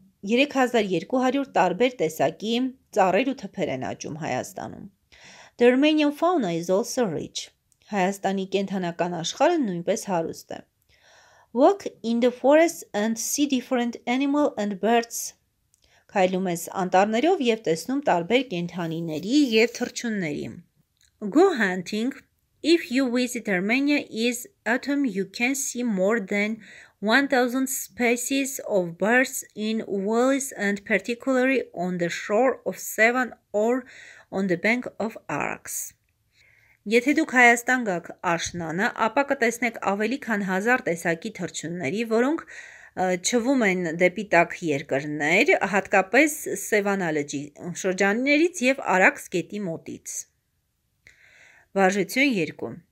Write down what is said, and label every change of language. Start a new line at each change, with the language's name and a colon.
Armenian: 3200 տարբեր տեսակի ծառեր ու թփեր են աճում Հայաստանում։
English: The Armenian fauna is also rich.
Armenian: Հայաստանի կենդանական աշխարհը նույնպես հարուստ է։
English: Walk in the forest and see different animal and birds.
Armenian: Քայլում ես անտառներով եւ տեսնում տարբեր կենդանիների եւ թռչունների։
English: Go hunting. If you visit Armenia in autumn, you can see more than 1000 species of birds in valleys and particularly on the shore of Sevan or on the bank of Araks.
Armenian: Եթե դուք Հայաստան գաք աշնանը, ապա կտեսնեք ավելի քան 1000 տեսակի թռչունների, որոնք չվում են դեպի տաք երկրներ, հատկապես Սևանա լճի շրջաններից եւ Արաքս գետի մոտից։ Վարժություն 2.